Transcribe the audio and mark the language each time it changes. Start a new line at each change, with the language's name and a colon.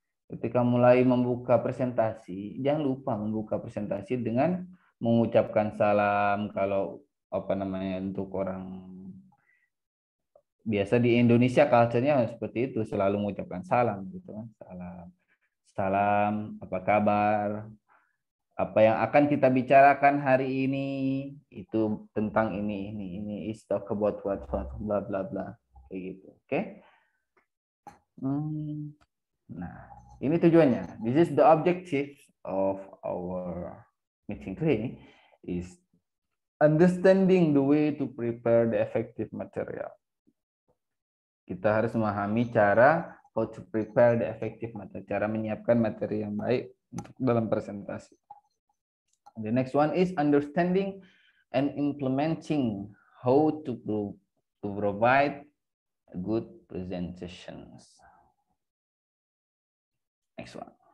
Indonesian: Ketika mulai membuka presentasi, jangan lupa membuka presentasi dengan mengucapkan salam kalau apa namanya untuk orang biasa di Indonesia culture-nya seperti itu, selalu mengucapkan salam gitu kan. Salam. Salam, apa kabar? Apa yang akan kita bicarakan hari ini itu tentang ini
English: is talk about what
Indonesian: bla bla bla kayak gitu. Oke. Okay? Nah, ini tujuannya.
English: This is the objective of our meeting today is understanding the way to prepare the effective material.
Indonesian: Kita harus memahami cara
English: how to prepare the effective material,
Indonesian: cara menyiapkan materi yang baik untuk dalam presentasi.
English: The next one is understanding and implementing how to provide good presentations. Next one.